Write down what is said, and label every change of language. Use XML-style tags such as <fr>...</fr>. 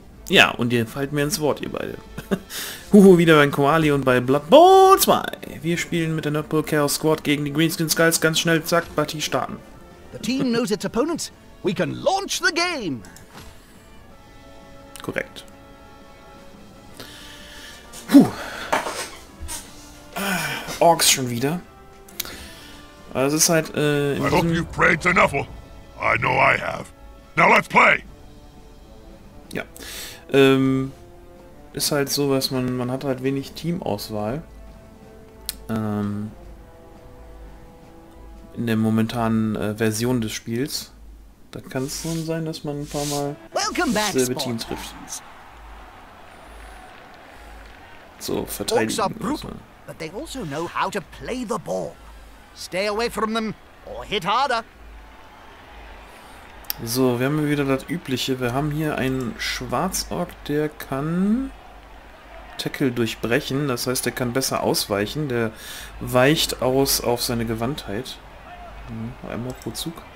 <de>Ja, und ihr fallt mir ins Wort, ihr beide. Huhu, wieder beim Koali und bei Blood Bowl 2. Wir spielen mit der Nurple Chaos Squad gegen die Greenskin Skulls. Ganz schnell, zack, Partie starten.</de> <en>The team knows its opponents. We can launch the game.</en> <de>Korrekt. Orks schon wieder. Also es ist halt,</de> <en>I hope you prayed to Nuffle. I know I have. Now let's play!</en> <de>Ja. Ist halt so, dass man hat halt wenig Teamauswahl. In der momentanen Version des Spiels. Da kann es schon sein, dass man ein paar Mal dasselbe Team trifft. So, verteidigen.</de> <en>But they also know how to play the ball. Stay away from them or hit harder.</en> <de>So, wir haben wieder das Übliche. Wir haben hier einen Schwarzorg, der kann Tackle durchbrechen. Das heißt, der kann besser ausweichen. Der weicht aus auf seine Gewandtheit. Einmal pro Zug.</de>